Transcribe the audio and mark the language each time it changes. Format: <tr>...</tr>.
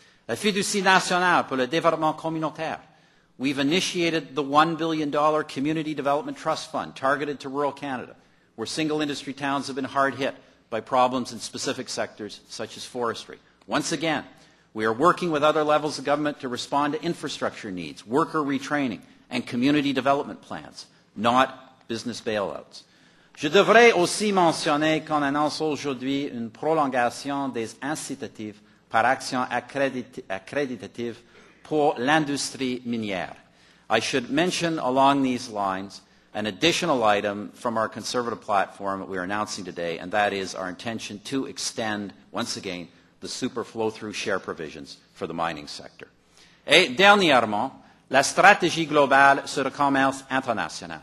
<en>La Fiducie Nationale pour le Développement Communautaire. We've initiated the $1 billion Community Development Trust Fund targeted to rural Canada, where single industry towns have been hard hit by problems in specific sectors such as forestry. Once again, we are working with other levels of government to respond to infrastructure needs, worker retraining, and community development plans, not business bailouts.</en> <fr>Je devrais aussi mentionner qu'on annonce aujourd'hui une prolongation des incitatives par action accréditative pour l'industrie minière.</fr> <en>I should mention along these lines an additional item from our conservative platform that we are announcing today, and that is our intention to extend, once again, the super flow-through share provisions for the mining sector.</en> <fr>Et dernièrement, la stratégie globale sur le commerce international.</fr>